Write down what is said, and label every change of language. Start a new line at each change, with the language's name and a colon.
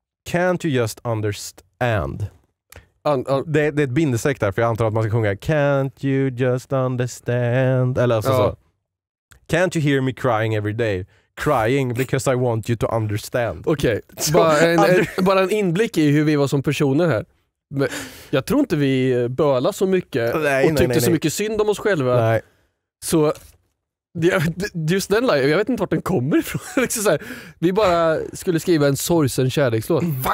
English: Can't you just understand?
Swedish: Det är ett bindestreck där, för jag antar att man ska sjunga
English: Can't you just understand?
Swedish: Eller alltså så.
English: Can't you hear me crying every day? Crying because I want you to understand.
Swedish: Okej, okay. Bara en inblick i hur vi var som personer här. Men jag tror inte vi bölade så mycket och tyckte så mycket synd om oss själva. Nej. Så just den live, jag vet inte vart den kommer ifrån. Så här, vi bara skulle skriva en sorgsen kärlekslåt.